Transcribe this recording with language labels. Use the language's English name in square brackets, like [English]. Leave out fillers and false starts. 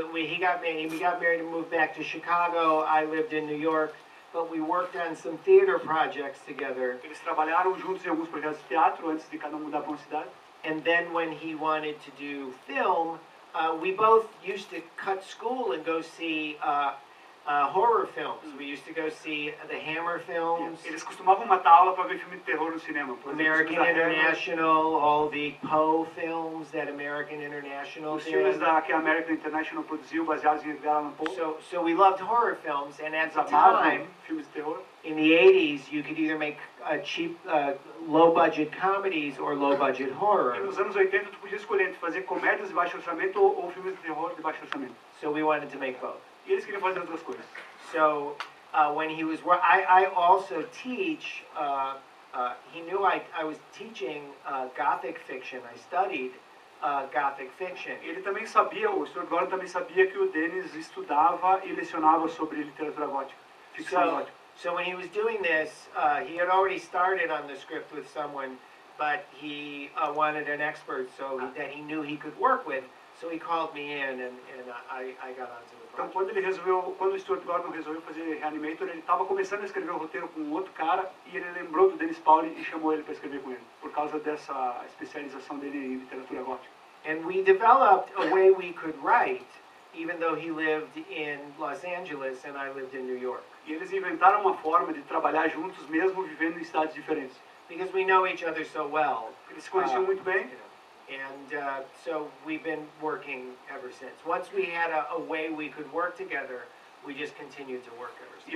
[English] He got married and moved back to Chicago. I lived in New York. But we worked on some theater projects together. [Portuguese] Eles trabalharam juntos em alguns projetos de teatro antes de cada um mudar para uma cidade. [English] And then when he wanted to do film, we both used to cut school and go see horror films. We used to go see the Hammer films. [Portuguese] Eles costumavam matar aula para ver filme de terror no cinema. Por exemplo, [English] American International, all the Poe films that American International [Portuguese] did. Os filmes que a American International produziu baseados em Edgar Allan Poe. [English] So we loved horror films, and at the time, [Portuguese] filmes de terror. [English] In the 80s, you could either make cheap, low-budget comedies or low-budget horror. [Portuguese] Nos anos 80, tu podia escolher entre fazer comédias de baixo orçamento ou filmes de terror de baixo orçamento. [English] So we wanted to make both. [Portuguese] Eles queriam fazer outras coisas. [English] So, when he was I also teach, he knew I was teaching Gothic fiction. I studied Gothic fiction. [Portuguese] Ele também sabia, o Sr. Gordon também sabia que o Dennis estudava e lecionava sobre literatura gótica, ficção gótica. [English] So when he was doing this, he had already started on the script with someone, but he wanted an expert that he knew he could work with. So he called me in, and I got onto the project. [Portuguese] Então, quando o Stuart Gordon resolveu fazer Reanimator, ele estava começando a escrever o roteiro com outro cara, e ele lembrou do Dennis Paoli e chamou ele para escrever com ele, por causa dessa especialização dele em literatura gótica. [English] And we developed a way we could write, even though he lived in Los Angeles and I lived in New York. [Portuguese] E eles inventaram uma forma de trabalhar juntos, mesmo vivendo em cidades diferentes. [English] Because we know each other so well. [Portuguese] Eles se conheciam muito bem. [English] And so we've been working ever since. Once we had a way we could work together, we just continued to work ever since.